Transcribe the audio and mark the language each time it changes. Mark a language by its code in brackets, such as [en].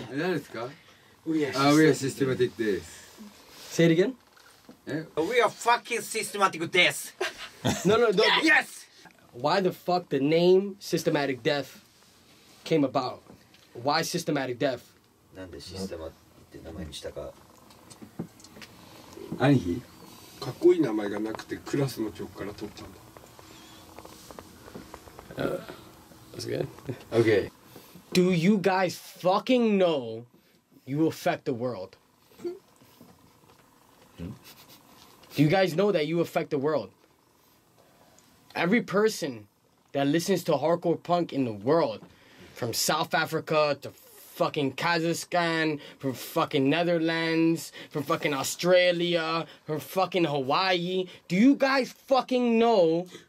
[en] That is We are systematic this. Say it again. Yeah. We are fucking systematic death. No. Yeah, yes. Why the fuck the name systematic death came about? Why systematic death? [ja] なんでシステマって名前にしたか。兄貴。かっこいい名前がなくてクラスの曲から取ったんだ。 [en] That's good. Okay. Do you guys fucking know you affect the world? Do you guys know that you affect the world? Every person that listens to hardcore punk in the world, from South Africa to fucking Kazakhstan, from fucking Netherlands, from fucking Australia, from fucking Hawaii, do you guys fucking know?